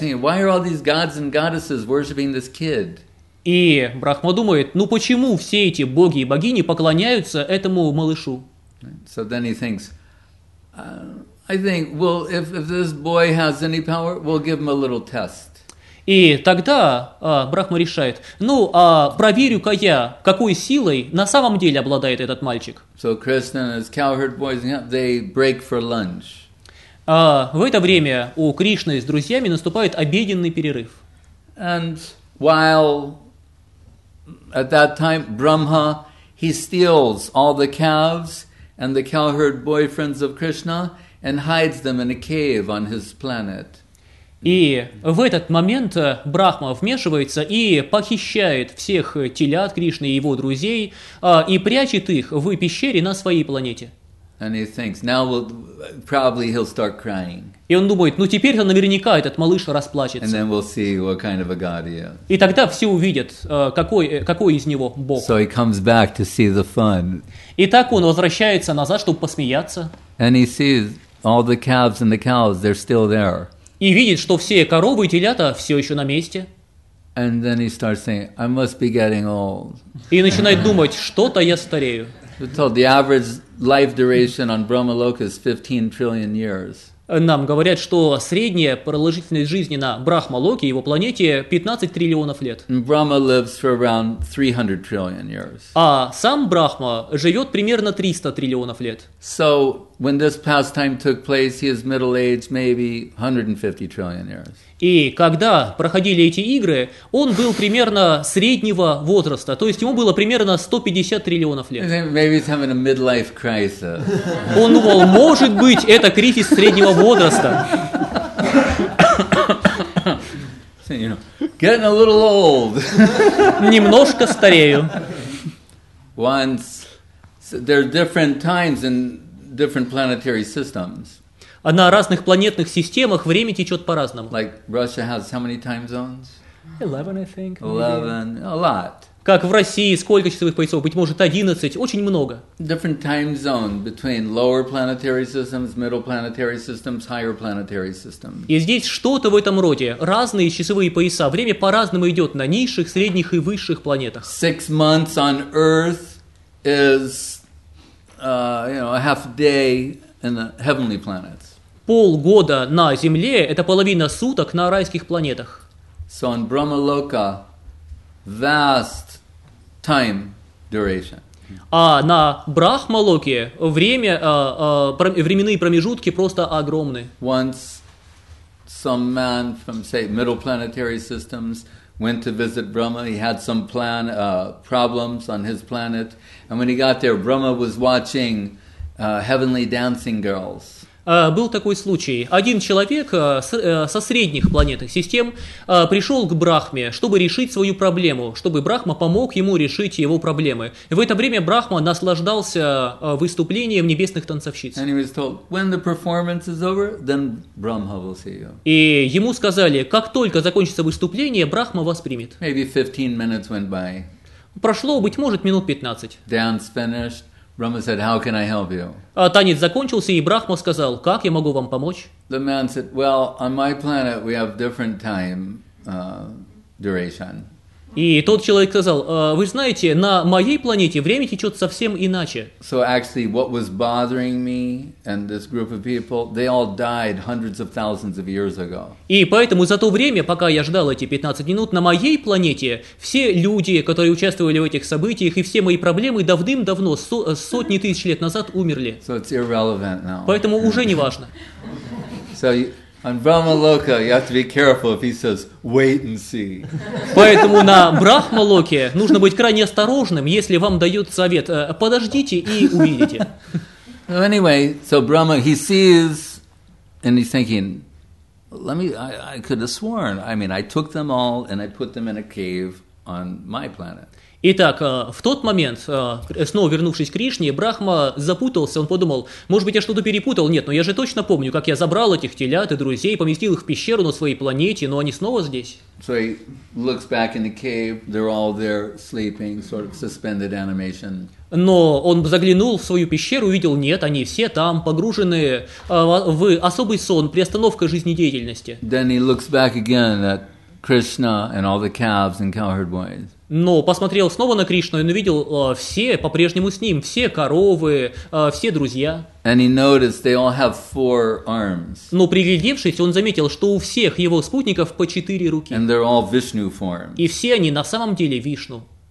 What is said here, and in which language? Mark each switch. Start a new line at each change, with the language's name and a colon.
English: Why are all these gods and goddesses worshiping this kid?
Russian: И Брахма думает, ну почему все эти боги и богини поклоняются этому малышу?
English: So then he thinks, I think, well, if this boy has any power, we'll give him a little test.
Russian: И тогда Брахма решает, ну, а проверю-ка я, какой силой на самом деле обладает этот мальчик.
English: So Krishna and his cowherd boys, they break for lunch.
Russian: В это время у Кришны с друзьями наступает обеденный перерыв.
English: And while at that time Brahma, he steals all the calves and the cowherd boyfriends of Krishna and hides them in a cave on his planet.
Russian: И в этот момент Брахма вмешивается и похищает всех телят Кришны и его друзей и прячет их в пещере на своей планете.
English: And he thinks, now probably he'll start crying.
Russian: И он думает, ну теперь-то наверняка этот малыш расплачется.
English: And then we'll see what kind of a god he is.
Russian: И тогда все увидят, какой из него бог.
English: So he comes back to see the fun.
Russian: И так он возвращается назад, чтобы посмеяться.
English: And he sees All the calves and the cows, they're still there.
Russian: И видит, что все коровы и телята все еще на месте.
English: And then he starts saying, I must be getting old.
Russian: И начинает думать, что-то я старею.
English: The average life duration on Brahmaloka is 15 trillion years.
Russian: Нам говорят, что средняя продолжительность жизни на Брахмалоке, его планете, 15 триллионов лет.
English: Brahma lives for around 300 trillion years.
Russian: А сам Брахма живет примерно 300 триллионов лет.
English: So, when this pastime took place, he is middle-aged, maybe 150 trillion years.
Russian: И когда проходили эти игры, он был примерно среднего возраста, то есть ему было примерно 150 триллионов лет.
English: Maybe he's having a midlife crisis.
Russian: Он думал, может быть, это кризис среднего возраста.
English: You know, getting a little old.
Russian: Немножко старею.
English: Once, so there are different times in different planetary systems.
Russian: А на разных планетных системах время течет по-разному.
English: Like Russia has how many time zones? 11, I think. Maybe. 11, a lot.
Russian: Как в России, сколько часовых поясов? Быть может, 11, очень много.
English: Different time zone between lower planetary systems, middle planetary systems, higher planetary systems.
Russian: И здесь что-то в этом роде. Разные часовые пояса. Время по-разному идет на низших, средних и высших планетах.
English: 6 months on Earth is, a half day. In the heavenly planets.
Russian: Полгода на Земле – это половина суток на райских планетах.
English: So on Brahmaloka, vast time duration.
Russian: А на Брахмалоке время, временные промежутки просто огромны.
English: Once some man from, say, middle planetary systems went to visit Brahma. He had some plan problems on his planet, and when he got there, Brahma was watching. Heavenly dancing girls.
Russian: Был такой случай. Один человек со средних планетных систем пришел к Брахме, чтобы решить свою проблему, чтобы Брахма помог ему решить его проблемы. И в это время Брахма наслаждался выступлением небесных танцовщиц.
English: And he was told, when the performance is over, then Brahma will see you.
Russian: И ему сказали, как только закончится выступление, Брахма вас примет.
English: Maybe 15 minutes went by.
Russian: Прошло, быть может, минут 15.
English: Dance finished. Brahma said, "How can I help you?"
Russian: Танец закончился, и Брахма сказал, "Как я могу вам помочь?"
English: The man said, "Well, on my planet we have different time duration."
Russian: И тот человек сказал, "Вы знаете, на моей планете время течет совсем иначе."
English: So actually, what was bothering me and this group of people, they all died hundreds of thousands of years ago.
Russian: И поэтому за то время, пока я ждал эти 15 минут, на моей планете все люди, которые участвовали в этих событиях, и все мои проблемы давным-давно, сотни тысяч лет назад, умерли.
English: So it's irrelevant now.
Russian: Поэтому уже не важно.
English: So on Brahmaloka, you have to be careful if he says, "Wait and see."
Russian: Поэтому на Брахмалоке нужно быть крайне осторожным, если вам дают совет, подождите и увидите.
English: So anyway, so Brahma, he sees, and he's thinking, "Let me. I could have sworn. I mean, I took them all and I put them in a cave on my planet."
Russian: Итак, в тот момент, снова вернувшись к Кришне, Брахма запутался, он подумал, может быть, я что-то перепутал, нет, но я же точно помню, как я забрал этих телят и друзей, поместил их в пещеру на своей планете, но они снова здесь.
English: So he looks back in the cave, they're all there sleeping, sort of suspended animation.
Russian: Но он заглянул в свою пещеру, увидел, нет, они все там, погружены в особый сон, приостановка жизнедеятельности.
English: Then he looks back again at Krishna and all the calves and cowherd boys.
Russian: Но посмотрел снова на Кришну, и он увидел все по-прежнему с ним, все коровы, все друзья.
English: And he noticed they all have four arms.
Russian: Но приглядевшись, он заметил, что у всех его спутников по четыре руки.
English: And they're all Vishnu form.
Russian: И все они на самом деле Вишну.